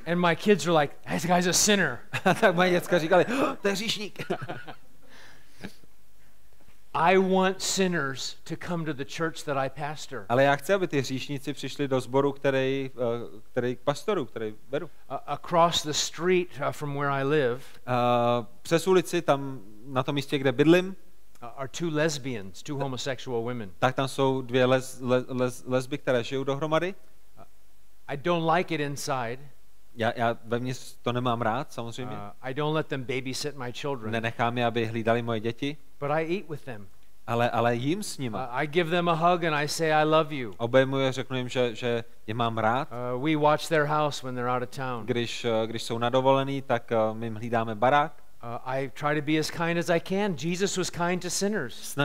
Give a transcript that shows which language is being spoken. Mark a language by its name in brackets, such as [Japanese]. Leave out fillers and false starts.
[English] And my kids were like, "This guy's a sinner." [Czech] Tak moje děcka říkali, oh, to je hříšník. [English] I want sinners to come to the church that I pastor. [Czech] Ale já chci, aby ty hříšníci přišli do sboru, který k pastoru, který vedu. [English] Across the street from where I live. [Czech] Přes ulici tam na tom místě, kde bydlím. [English] Are two lesbians, two homosexual women. [Czech] Tak tam jsou dvě lesby, které žijou dohromady. [English] I don't like it inside. [Czech] Já vevnitř to nemám rád, samozřejmě. [English] I don't let them babysit my children. [Czech] Nenechám je, aby hlídali moje děti. [English] But I eat with them. [Czech] Ale jím s nima. [English] I give them a hug and I say I love you. [Czech] Obejmuji, řeknu jim, že je mám rád. [English] We watch their house when they're out of town. [Czech] Když jsou na dovolený, tak my jim hlídáme barák. [English] I try to be as kind as I can. Jesus was kind to sinners.